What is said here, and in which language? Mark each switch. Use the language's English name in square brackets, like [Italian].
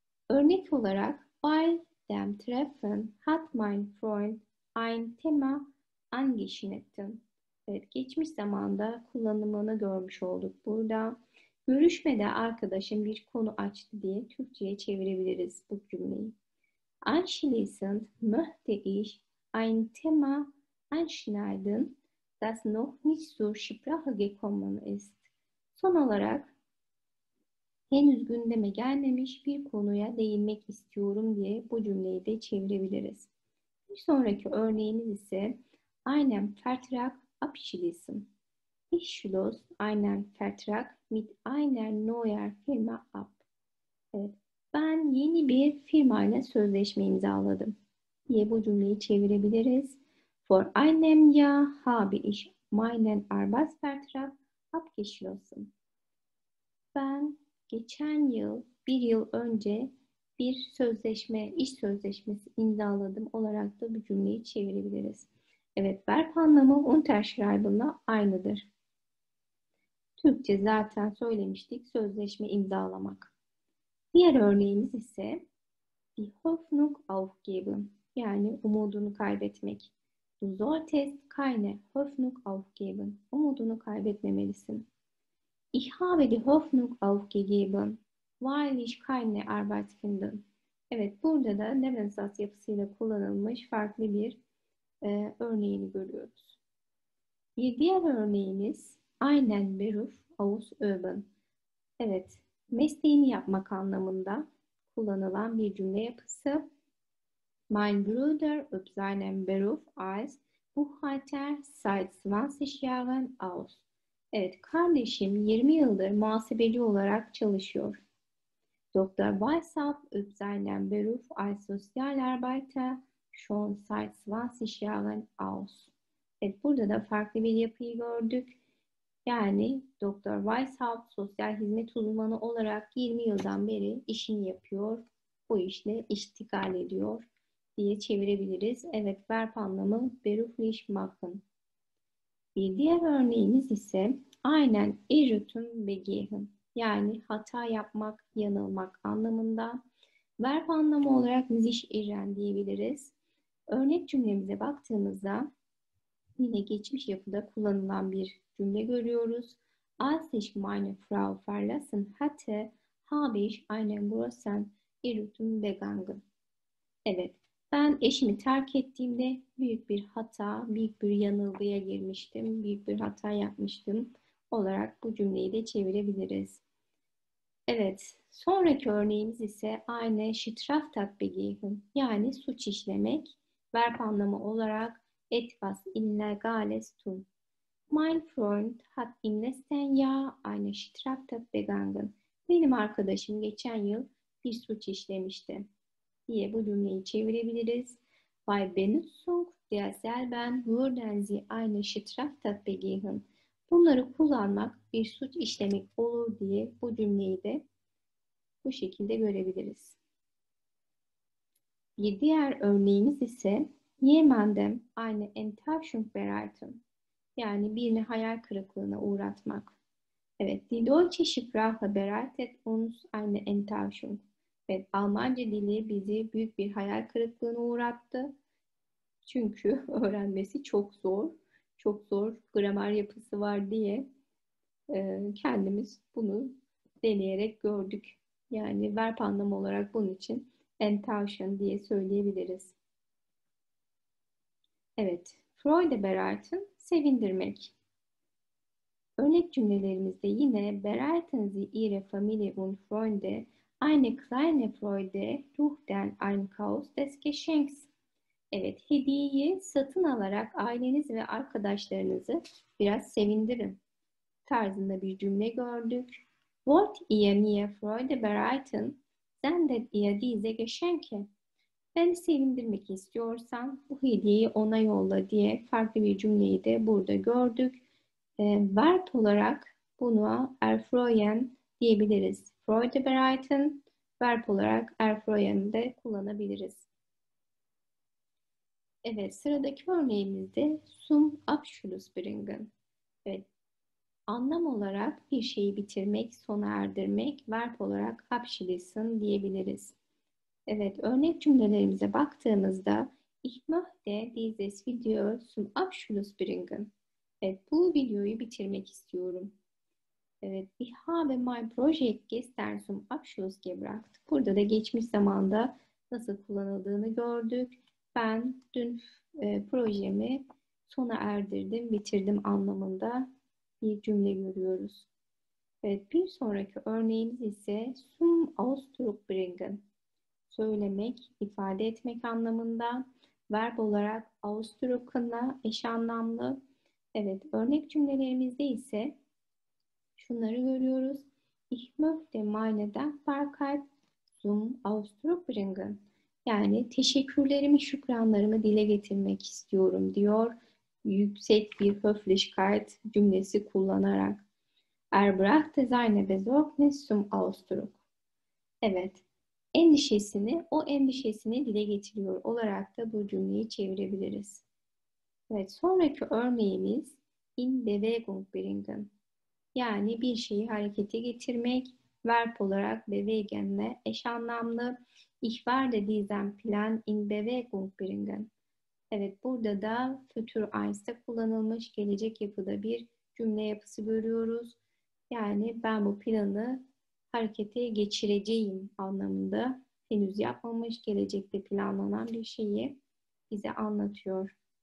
[Turkish] Örnek olarak [German] bei dem Treffen hat mein Freund ein Thema angeschnitten. [Turkish] Evet, geçmiş zamanda kullanımını görmüş olduk burada. Görüşmede arkadaşım bir konu açtı diye Türkçe'ye çevirebiliriz bu cümleyi. [German] Anschließend möchte ich ein Thema anschneiden, das noch nicht zur Sprache gekommen ist. [Turkish] Son olarak Henüz gündeme gelmemiş bir konuya değinmek istiyorum diye bu cümleyi de çevirebiliriz. Bir sonraki örneğimiz ise [German] Einem Vertrag abschließen. Ich schloss einen Vertrag mit einer neuen Firma ab. [Turkish] Evet, ben yeni bir firmayla sözleşme imzaladım diye bu cümleyi çevirebiliriz. [German] Vor einem Jahr habe ich meinen Arbeitsvertrag abgeschlossen. [Turkish] Ben geçen yıl, bir yıl önce bir sözleşme, iş sözleşmesi imzaladım olarak da bu cümleyi çevirebiliriz. Evet, verb anlamı Unterschreiben'la aynıdır. Türkçe zaten söylemiştik, sözleşme imzalamak. Diğer örneğimiz ise [German] die Hoffnung aufgeben, [Turkish] yani umudunu kaybetmek. [German] Du solltest keine Hoffnung aufgeben, [Turkish] umudunu kaybetmemelisin. [German] Ich habe die Hoffnung aufgegeben, weil ich keine Arbeit finde. [Turkish] Evet, burada da Nebensatz yapısıyla kullanılmış farklı bir örneğini görüyoruz. Bir diğer örneğimiz [German] Einen Beruf ausüben. [Turkish] Evet, mesleğini yapmak anlamında kullanılan bir cümle yapısı. [German] Mein Bruder übt seinen Beruf als Buchhalter seit 20 Jahren aus. [Turkish] Evet, kardeşim 20 yıldır muhasebeci olarak çalışıyor. [German] Doktor Weishaupt übt seinen Beruf als Sozialarbeiter schon seit 20 Jahren aus. [Turkish] Evet, burada da farklı bir yapıyı gördük. Yani Doktor Weishaupt sosyal hizmet uzmanı olarak 20 yıldan beri işini yapıyor. Bu işle iştigal ediyor diye çevirebiliriz. Evet, verb anlamı [German] beruflich machen. [Turkish] Bir diğer örneğimiz ise aynen [German] irrtum begehen, [Turkish] yani hata yapmak, yanılmak anlamında. Verb anlamı olarak sich irren diyebiliriz. Örnek cümlemize baktığımızda yine geçmiş yapıda kullanılan bir cümle görüyoruz. [German] Als ich meine Frau verlassen hatte, habe ich einen großen Irrtum begangen. [Turkish] Evet, ben eşimi terk ettiğimde büyük bir hata, büyük bir yanılgıya girmiştim, büyük bir hata yapmıştım olarak bu cümleyi de çevirebiliriz. Evet, sonraki örneğimiz ise aynı [German] Straftat begehen, [Turkish] yani suç işlemek, verb anlamı olarak [German] etwas illegales tun. Mein Freund hat im letzten Jahr eine Straftat begangen. [Turkish] Benim arkadaşım geçen yıl bir suç işlemişti diye bu cümleyi çevirebiliriz. [German] Bei Benutzung der selben würden Sie eine Straftat begehen. [Turkish] Bunları kullanmak bir suç işlemek olur diye bu cümleyi de bu şekilde görebiliriz. Bir diğer örneğimiz ise [German] Jemandem eine Enttäuschung bereiten. [Turkish] Yani birini hayal kırıklığına uğratmak. Evet, [German] die deutsche Sprache bereitet uns eine Enttäuschung. [Turkish] Evet, Almanca dili bizi büyük bir hayal kırıklığına uğrattı. Çünkü öğrenmesi çok zor. Çok zor gramer yapısı var diye kendimiz bunu deneyerek gördük. Yani verb anlamı olarak bunun için Enttäuschung diye söyleyebiliriz. Evet, [German] Freude bereiten, [Turkish] sevindirmek. Örnek cümlelerimizde yine [German] bereiten Sie Ihre Familie und Freunde eine kleine Freude durch den Einkauf des Geschenks. [Turkish] Evet, hediyeyi satın alarak ailenizi ve arkadaşlarınızı biraz sevindirin tarzında bir cümle gördük. [German] Wollt ihr mir Freude bereiten, sendet ihr diese Geschenke. [Turkish] Beni sevindirmek istiyorsan bu hediyeyi ona yolla diye farklı bir cümleyi de burada gördük. Verb olarak bunu erfreuen diyebiliriz. [German] Freude bereiten, [Turkish] verb olarak erfreuen'i de kullanabiliriz. Evet, sıradaki örneğimizde [German] zum Abschluss bringen. [Turkish] Evet, anlam olarak bir şeyi bitirmek, sona erdirmek, verb olarak abschließen diyebiliriz. Evet, örnek cümlelerimize baktığımızda [German] Ich möchte dieses Video zum Abschluss bringen. [Turkish] Evet, bu videoyu bitirmek istiyorum. Evet, [German] Ich habe mein Projekt gestern zum Abschluss gebracht. [Turkish] Burada da geçmiş zamanda nasıl kullanıldığını gördük. Ben dün projemi sona erdirdim, bitirdim anlamında bir cümle görüyoruz. Evet, bir sonraki örneğimiz ise zum Ausdruckbringen. Söylemek, ifade etmek anlamında. Verb olarak Ausdruck'la eş anlamlı. Evet, örnek cümlelerimizde ise şunları görüyoruz. [German] Ich möchte meine Dankbarkeit zum Ausdruck bringen. [Turkish] Yani teşekkürlerimi, şükranlarımı dile getirmek istiyorum diyor. Yüksek bir Höflichkeit cümlesi kullanarak. [German] Erbrachte seine Besorgnis zum Ausdruck. [Turkish] Evet. Endişesini, o endişesini dile getiriyor olarak da bu cümleyi çevirebiliriz. Evet, sonraki örneğimiz [German] in Bewegung bringen. [Turkish] Yani bir şeyi harekete getirmek, verb olarak bewegen'le eş anlamlı. [German] Ich werde diesen Plan in Bewegung bringen. [Turkish] Evet, burada da Futur 1'de kullanılmış gelecek yapıda bir cümle yapısı görüyoruz. Yani ben bu planı harekete geçireceğim anlamında henüz yapmamış gelecekte planlanan bir şeyi bize anlatıyor.